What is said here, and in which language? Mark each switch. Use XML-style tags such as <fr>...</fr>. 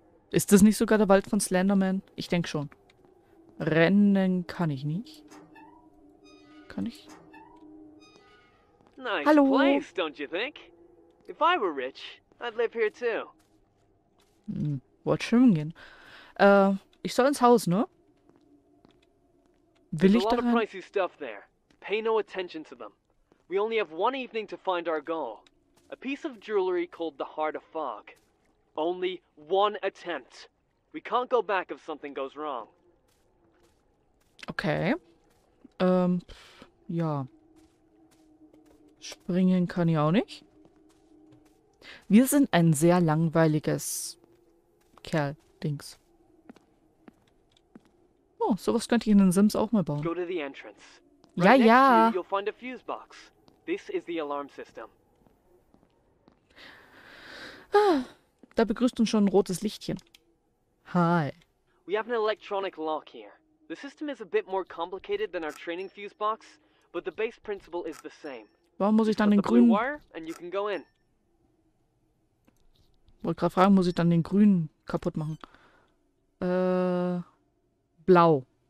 <de>Ist das nicht sogar der Wald von Slenderman? Ich denke schon. Rennen kann ich nicht. Kann ich?</de> <en>nice Hallo. Place, don't you think? If I were rich, I'd live here too.</en> <de>Wollt schwimmen gehen. Ich soll ins Haus, ne? Will ich da rein?</de> <en>There's a lot of pricey stuff there. Pay no attention to them. We only have one evening to find our goal. A piece of jewelry called the Heart of Fog. Only one attempt. We can't go back if something goes wrong. Okay. Ja.</en> <de>Springen kann ich auch nicht. Wir sind ein sehr langweiliges Kerl-Dings. Oh, sowas könnte ich in den Sims auch mal bauen.</de> <en>Go to the entrance. Right ja, next ja. To you, you'll find a fuse box. This is the alarm system.</en> <de>Ah, da begrüßt uns schon ein rotes Lichtchen.</de> <en>Hi. We have an electronic lock here. The system is a bit more complicated than our training fuse box, but the base principle is the same.</en> <de>Warum muss ich dann den grünen</de> <en>wire and you can go in.</en> <de>Wollte gerade fragen, muss ich dann den grünen kaputt machen? Blau.</de>